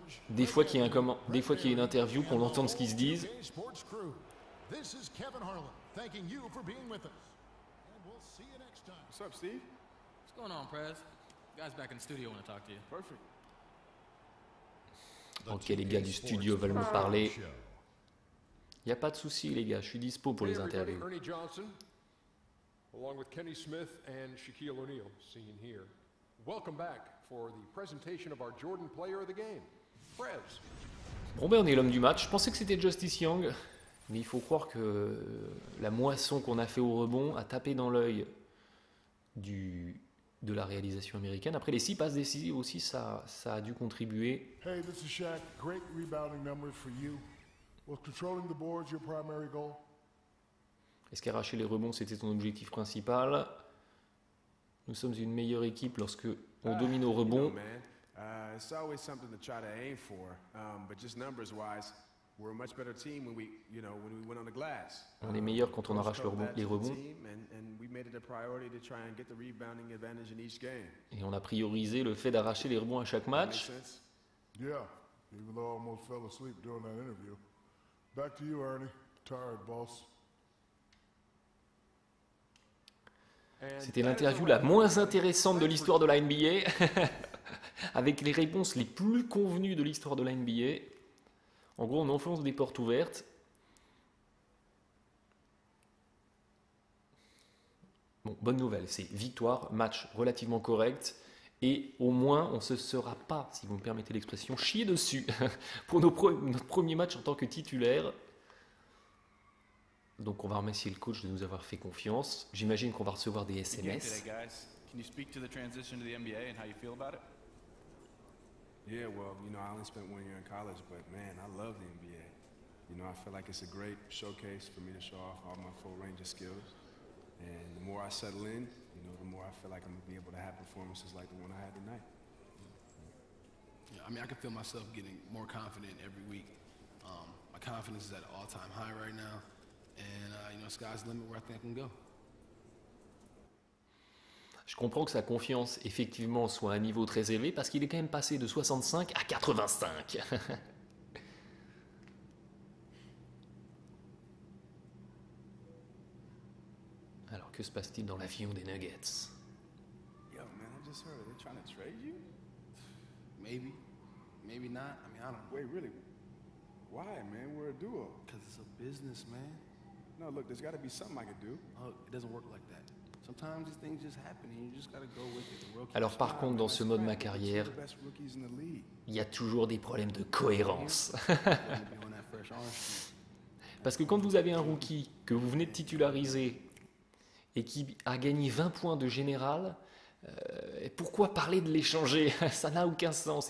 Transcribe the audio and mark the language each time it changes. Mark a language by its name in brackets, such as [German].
[French] Des fois qu'il y a une interview, qu'on entende ce qu'ils se disent. [English] This is Kevin Harlan, thanking you for being with us. And we'll see you next time. What's up, Steve? What's going on, Prez? Guys back in the studio want to talk to you. Perfect. [French] Ok, les gars du studio veulent me parler. Il n'y a pas de souci, les gars, je suis dispo pour les interviews. [English] Along with Kenny Smith and Shaquille O'Neal, seen here. Welcome back for the presentation of our Jordan player of the game, Prez. [French] Bon ben on est l'homme du match. Je pensais que c'était Justice Young, mais il faut croire que la moisson qu'on a fait au rebond a tapé dans l'œil de la réalisation américaine. Après les 6 passes décisives aussi, ça a dû contribuer. [English] Hey, this is Shaq. Great rebounding numbers for you. Was controlling the boards your primary goal? [French] Est-ce qu'arracher les rebonds, c'était ton objectif principal? Nous sommes une meilleure équipe lorsque on domine au rebond. C'est toujours quelque chose à essayer pour. Mais juste [English] numbers wise, we're a much better team when we, you know, when we went on the glass. [French] On est meilleur quand on arrache les rebonds. [English] And we made it a priority to try and get the rebounding advantage in each game. [French] Et on a priorisé le fait d'arracher les rebonds à chaque match. [English] Yeah, even though I almost fell asleep during that interview. Back to you, Ernie. Tired, boss. [French] C'était l'interview la moins intéressante de l'histoire de la NBA, avec les réponses les plus convenues de l'histoire de la NBA. En gros, on enfonce des portes ouvertes. Bon, bonne nouvelle, c'est victoire, match relativement correct. Et au moins, on ne se sera pas, si vous me permettez l'expression, chié dessus pour notre premier match en tant que titulaire. Donc, on va remercier le coach de nous avoir fait confiance. J'imagine qu'on va recevoir des SMS. [English] Can you speak to the transition to the NBA and how you feel about it? Yeah, well, you know, I only spent 1 year in college, but man, I love the NBA. You know, I feel like it's a great showcase for me to show off all my full range of skills. And the more I settle in, you know, the more I feel like I'm going to be able to have performances like the one I had tonight. Yeah, I mean, I can feel myself getting more confident every week. My confidence is at an all-time high right now. And, you know, sky's the limit where I think I can go. [French] Je comprends que sa confiance, effectivement, soit à un niveau très élevé parce qu'il est quand même passé de 65 à 85. Alors, que se passe-t-il dans l'avion des Nuggets? [English] Yo, man, I just heard, are they trying to trade you? Maybe. Maybe not. I mean, I don't know. Wait, really? Why, man? We're a duo. Because it's a business, man. No, look, there's got to be something I could do. Oh, it doesn't work like that. Sometimes these things just happen and you just gotta go with it. [French] Alors par contre, dans ce mode de ma carrière, il y a toujours des problèmes de cohérence. Parce que quand vous avez un rookie que vous venez de titulariser et qui a gagné 20 points de général, pourquoi parler de l'échanger? Ça n'a aucun sens.